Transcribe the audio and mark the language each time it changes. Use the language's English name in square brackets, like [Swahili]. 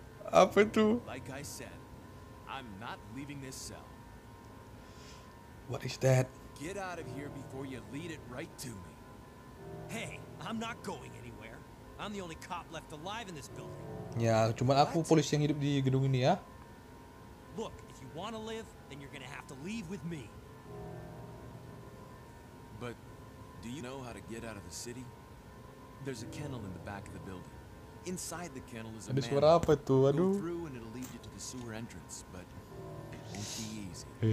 [Indonesian] Apa itu? [English] Like I said, I'm not leaving this cell. What is that? Get out of here before you lead it right to me. Hey, I'm not going anywhere. I'm the only cop left alive in this building. [Indonesian] Ya, cuma aku polisi yang hidup di gedung ini ya. [English] Look, if you want to live, then you're gonna have to leave with me. But do you know how to get out of the city? There's a kennel in the back of the building. Inside the kennel is a [Indonesian] manhole. Ada suara apa tuh? Aduh. [English] Go through and it'll lead you to the sewer entrance, but it won't be easy.